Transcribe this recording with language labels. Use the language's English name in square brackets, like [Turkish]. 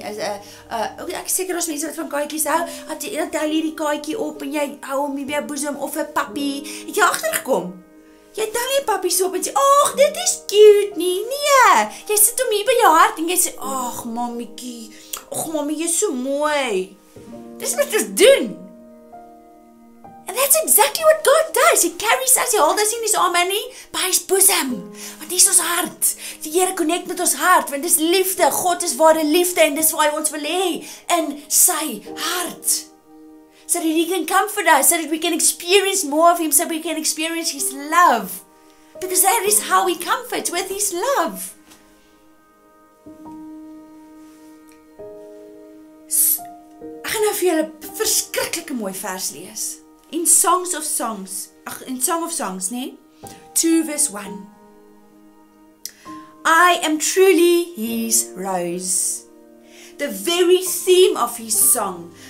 [Afrikaans] Is 'n ek seker ons mense wat van kaartjies hou. Dat jy eendag hou hierdie kaartjie op en jy hou hom by jou bosom of 'n papi. Het jy agtergekom? Jy hou nie papi so op en sê, "Ag, dit is cute nie." Nee. Jy sit hom hier by jou hart en jy sê, "Ag, mammetjie. Ag, mammie, jy's so mooi." Dis wat ons doen. [English] And that's exactly what God does. He carries us, he holds us in his arm and he by his bosom. [Afrikaans] Want dis ons hart. Die Here connect met ons hart, want dis liefde. God is ware liefde en dis waar hy ons wil hê in sy hart. [English] So that he can comfort us, so that we can experience more of him, so we can experience his love. Because that is how he comforts, with his love. [Afrikaans] Ek gaan nou vir julle 'n verskriklike mooi vers lees. [English] In Songs of Songs, in Song of Songs, nee? 2 verse 1. I am truly his rose, the very theme of his song.